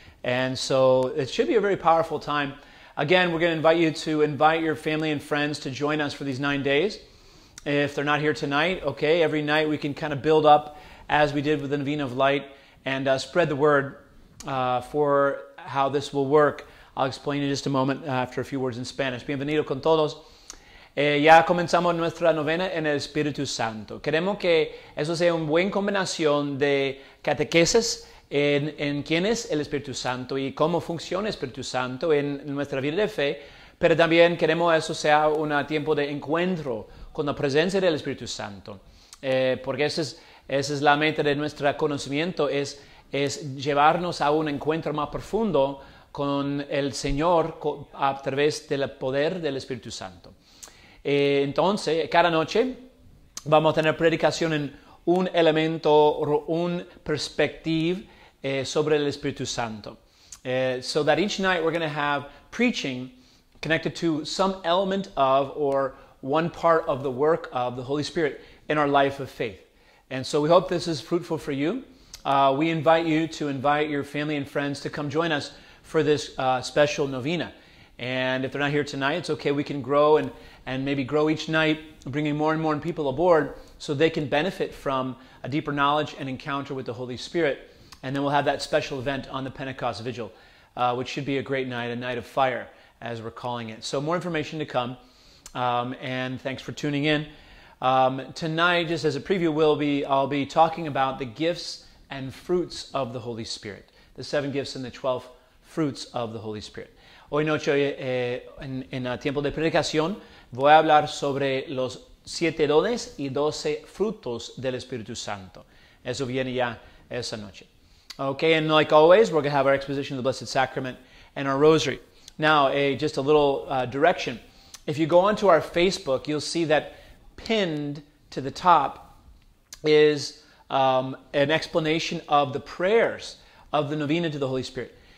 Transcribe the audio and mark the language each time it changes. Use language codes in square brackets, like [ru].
[en] And so it should be a very powerful time. Again, we're going to invite you to invite your family and friends to join us for these 9 days. If they're not here tonight, okay, every night we can kind of build up as we did with the Novena of Light and spread the word for how this will work. I'll explain in just a moment after a few words in Spanish. [es] Bienvenido con todos. Ya comenzamos nuestra novena en el Espíritu Santo. Queremos que eso sea una buena combinación de catequesis en quién es el Espíritu Santo y cómo funciona el Espíritu Santo en nuestra vida de fe, pero también queremos que eso sea un tiempo de encuentro con la presencia del Espíritu Santo, porque esa es la meta de nuestro conocimiento, es llevarnos a un encuentro más profundo con el Señor a través del poder del Espíritu Santo. Entonces, cada noche vamos a tener predicación en un elemento, un perspective sobre el Espíritu Santo. [en] So that each night we're going to have preaching connected to some element of or one part of the work of the Holy Spirit in our life of faith. And so we hope this is fruitful for you. We invite you to invite your family and friends to come join us for this special novena. And if they're not here tonight, it's okay. We can grow and maybe grow each night, bringing more and more people aboard so they can benefit from a deeper knowledge and encounter with the Holy Spirit. And then we'll have that special event on the Pentecost Vigil, which should be a great night, a night of fire, as we're calling it. So more information to come. And thanks for tuning in. Tonight, just as a preview, I'll be talking about the gifts and fruits of the Holy Spirit, the 7 gifts and the 12 fruits of the Holy Spirit. [es] Hoy noche, en tiempo de predicación, voy a hablar sobre los 7 dones y 12 frutos del Espíritu Santo. Eso viene ya esa noche. [en] Okay, and like always, we're going to have our exposition of the Blessed Sacrament and our rosary. Now, just a little direction. If you go onto our Facebook, you'll see that pinned to the top is an explanation of the prayers of the Novena to the Holy Spirit.